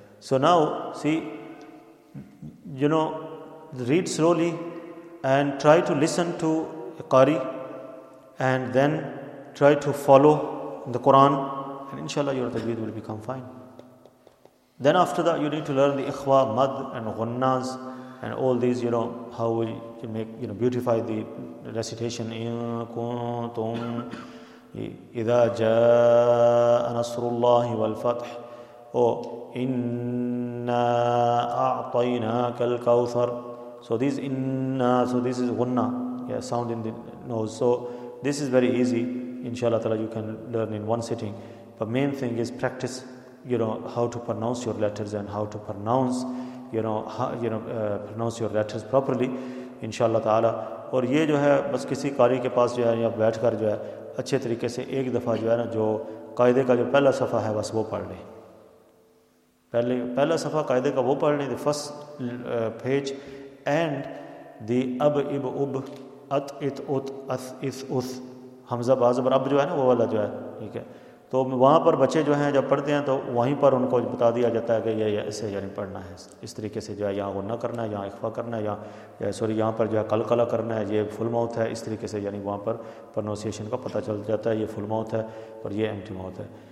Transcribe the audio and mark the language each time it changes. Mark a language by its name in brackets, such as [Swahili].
[English] So now, see, you know, read slowly and try to listen to a qari and then try to follow the Quran, and inshallah your tajweed will become fine. Then after that, you need to learn the ikhwa, mad, and ghunnas, and all these, you know, how we make, you know, beautify the recitation. [Arabic] إِذَا جَاءَ نَصْرُ اللَّهِ وَالْفَتْحِ إِنَّا أَعْطَيْنَاكَ الْكَوْثَرِ. [English] So this إِنَّا, so this is غُنَّة, yeah, sound in the nose. So this is very easy, inshallah ta'ala, you can learn in one sitting. But main thing is practice, you know, how to pronounce your letters and how to pronounce, you know, how, you know, pronounce your letters properly, inshallah ta'ala. [Urdu] اور یہ جو ہے بس کسی قاری کے پاس جو ہے یا بیٹھ کر جو ہے اچھے طریقے سے ایک دفعہ جو ہے نا جو قاعدے کا جو پہلا صفحہ ہے بس وہ پڑھ لیں. پہلا صفحہ قاعدے کا وہ پڑھ لیں, [English] the first page, [Urdu] and the اب اب اب ات ات ات اس اس اس حمزہ بازبر اب جو ہے نا وہ والا جو ہے, ٹھیک ہے؟ تو وہاں پر بچے جو ہیں جب پڑھتے ہیں تو وہیں پر ان کو بتا دیا جاتا ہے کہ یہ اسے یعنی پڑھنا ہے اس طریقے سے, جو ہے یہاں غنہ کرنا ہے, یہاں اخوا کرنا ہے, یا سوری یہاں پر جو ہے قلقلہ کرنا ہے, یہ فل ماؤتھ ہے. اس طریقے سے یعنی وہاں پر پرنونسیشن کا پتہ چل جاتا ہے, یہ فل ماؤتھ ہے اور یہ ایمٹی ماؤتھ ہے.